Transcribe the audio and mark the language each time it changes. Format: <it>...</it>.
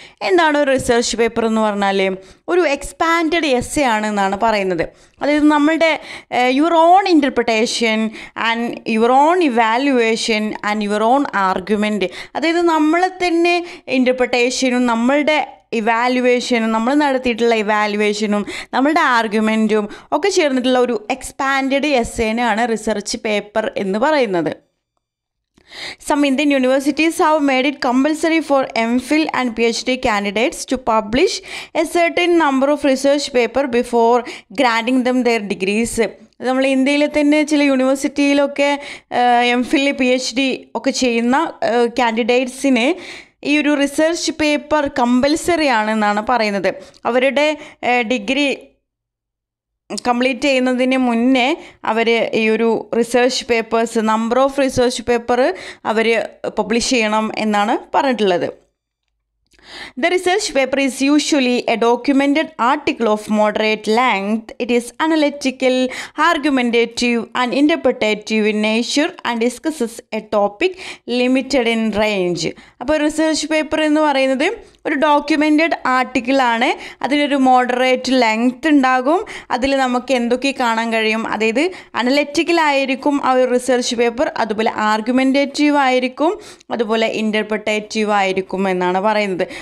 <ml>എന്താണ് research paper എന്ന് പറഞ്ഞാൽ? ഒരു expanded essay ആണെന്നാണ് പറയുന്നത്. അതായത് നമ്മളുടെ</ml> <en>your own interpretation and your own evaluation and your own argument.</en> <ml>അതായത് നമ്മൾ തന്നെ interpretationനും നമ്മളുടെ evaluation, നമ്മൾ നടത്തിയിട്ടുള്ള ഇവാലുവേഷനും നമ്മളുടെ ആർഗ്യുമെൻറ്റും ഒക്കെ ചേർന്നിട്ടുള്ള ഒരു എക്സ്പാൻഡ് എസ്സേനെയാണ് റിസർച്ച് പേപ്പർ എന്ന് പറയുന്നത്.</ml> <en>Some Indian universities have made it compulsory for MPhil and PhD candidates to publish a certain number of research paper before granting them their degrees.</en> <ml>നമ്മൾ ഇന്ത്യയിൽ തന്നെ ചില യൂണിവേഴ്സിറ്റിയിലൊക്കെ MPhil PhD ഒക്കെ ചെയ്യുന്ന കാൻഡിഡേറ്റ്സിനെ ഈ ഒരു റിസർച്ച് പേപ്പർ കമ്പൽസറി ആണെന്നാണ് പറയുന്നത്. അവരുടെ ഡിഗ്രി കംപ്ലീറ്റ് ചെയ്യുന്നതിന് മുന്നേ അവർ ഈ ഒരു research papers number of research paper our publish ചെയ്യണം എന്നാണ് പറഞ്ഞിട്ടുള്ളത്.</ml> <en>The research paper is usually a documented article of moderate length. It is analytical, argumentative, and interpretative in nature and discusses a topic limited in range.</en> <ml>അപ്പോൾ research paper എന്ന് പറയുന്നത് ഒരു documented article ആണ്. അതിനൊരു moderate length ഉണ്ടാകും. അതിൽ നമുക്ക് എന്തൊക്കെ കാണാൻ കഴിയും? അതായത് analytical ആയിരിക്കും ആ ഒരു research paper, അതുപോലെ argumentative ആയിരിക്കും, അതുപോലെ interpretative ആയിരിക്കും എന്നാണ് പറയുന്നത്.</ml>